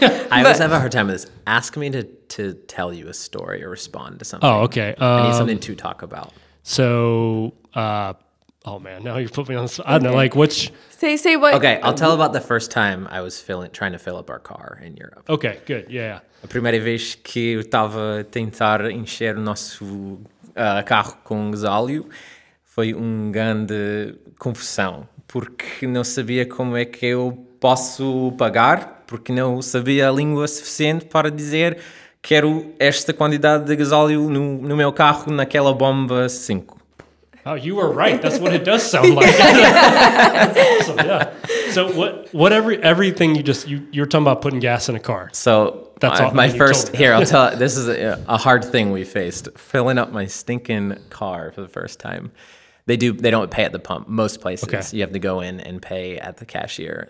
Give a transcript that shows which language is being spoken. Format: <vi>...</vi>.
<en>I always have a hard time with this. Ask me to tell you a story or respond to something. Oh, okay. I need something to talk about. So, now you put me on the spot. I don't know, like which... Say what... Okay, I'll tell about the first time I was trying to fill up our car in Europe. Okay, good, yeah.</en> <pt>A primeira vez que eu estava a tentar encher o nosso carro com gasóleo foi uma grande confusão, porque não sabia como é que eu posso pagar, porque não sabia a língua suficiente para dizer quero esta quantidade de gasóleo no meu carro naquela bomba 5.</pt> <en>Oh, you were right. That's what it does sound like. Awesome. Yeah. So everything you're talking about putting gas in a car. So that's my first here. I'll tell. This is a hard thing we faced. Filling up my stinking car for the first time. They don't pay at the pump. Most places you have to go in and pay at the cashier.</en>